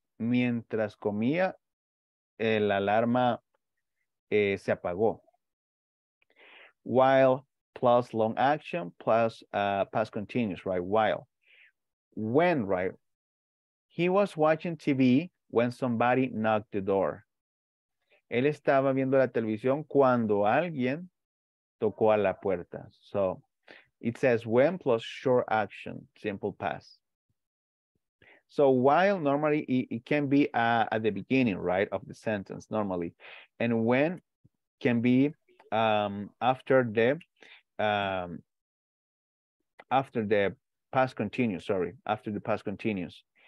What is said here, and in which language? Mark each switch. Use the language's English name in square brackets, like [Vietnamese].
[Spanish] Mientras comía, el alarma se apagó. [English] While plus long action plus past continuous, right? While. When, right? He was watching TV when somebody knocked the door. [Spanish] Él estaba viendo la televisión cuando alguien tocó a la puerta. [English] So it says when plus short action, simple past. So while normally it can be at the beginning, right, of the sentence normally. And when can be after the past continuous.